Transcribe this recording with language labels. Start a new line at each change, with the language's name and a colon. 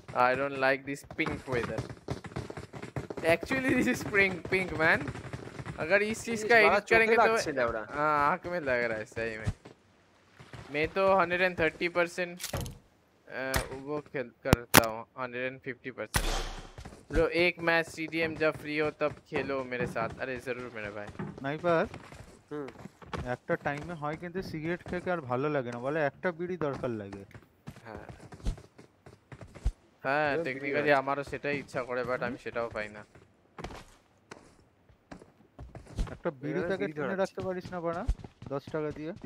English: I don't like this pink weather. Actually this is spring pink man.
Hindi: अगर इस चीज का एडिट करेंगे तो हाँ आँख में लग रहा है सही में। मैं तो 130% वो खेल करता हूँ। 150% लो एक मैच CDM जब फ्री हो तब खेलो मेरे साथ। अरे जरूर मेरे भाई। नहीं पर
Bangla: একটা টাইমে হয় কিন্তু সিগারেট খেয়ে আর ভালো লাগে না, বলে একটা বিড়ি দরকার লাগে। হ্যাঁ হ্যাঁ, টেকনিক্যালি আমারও সেটাই ইচ্ছা করে, বাট আমি সেটাও পাই না। একটা বিড়ি থেকে টেনে রাখতে পারিস না বড়া 10 টাকা দিয়ে?